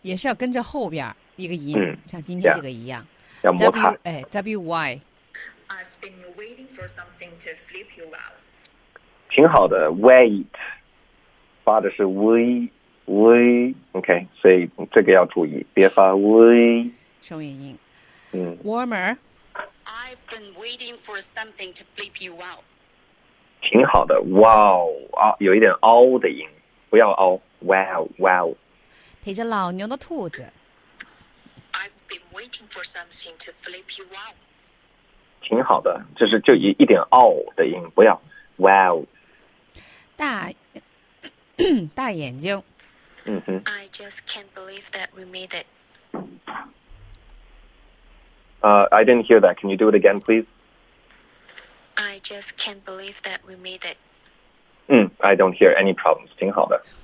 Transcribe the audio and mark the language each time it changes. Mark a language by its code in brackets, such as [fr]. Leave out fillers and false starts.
[zh] 也是要跟着后边一个音、像今天这个一样 yeah, 要摩擦 WY [en] I've been waiting for something to flip you out [zh] 挺好的 wait 发的是 w OK 所以这个要注意别发 w 双元音 [en] Warmer. I've been waiting for something to flip you out. [zh] 挺好的 wow, 有一点凹的音，不要凹 wow, wow. 陪着老牛的兔子。 [en] I've been waiting for something to flip you out. [zh] 挺好的，就是就一点凹的音，不要 wow. 大眼睛。嗯哼。 [en] I just can't believe that we made it. I didn't hear that. Can you do it again, please? I just can't believe that we made it. I don't hear any problems. [zh] 挺好的。